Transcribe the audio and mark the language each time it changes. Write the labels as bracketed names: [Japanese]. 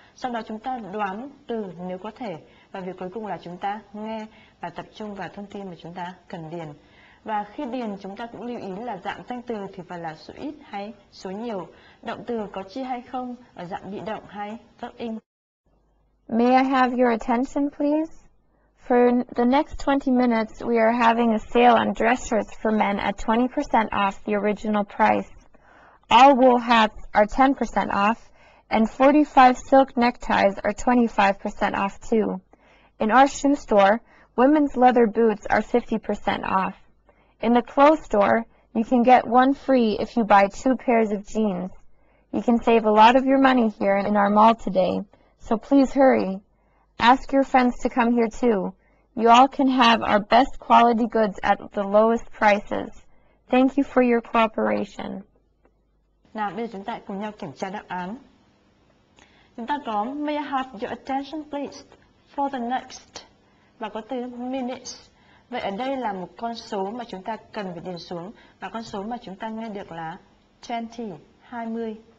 [Vietnamese] Sau đó chúng ta đoán từ nếu có thể. Và việc cuối cùng là chúng ta nghe và tập trung vào thông tin mà chúng ta cần điền. Và khi điền chúng ta cũng lưu ý là dạng danh từ thì phải là số ít hay số nhiều, động từ có chi hay không, ở dạng bị động hay verb in. [English] May I have your attention, please? For the next 20 minutes, we are having a sale on dress shirts for men at 20% off the original price. All wool hats are 10% off, and 45 silk neckties are 25% off, too. In our shoe store, women's leather boots are 50% off. In the clothes store, you can get one free if you buy two pairs of jeans. You can save a lot of your money here in our mall today. So please hurry. Ask your friends to come here too. You all can have our best quality goods at the lowest prices. Thank you for your cooperation. [Vietnamese] Nào, bây giờ chúng ta cùng nhau kiểm tra đáp án. Chúng ta có [English] may I have your attention please for the next [Vietnamese] và có từ minutes. Vậy ở đây là một con số mà chúng ta cần phải điền xuống và con số mà chúng ta nghe được là 20, 20.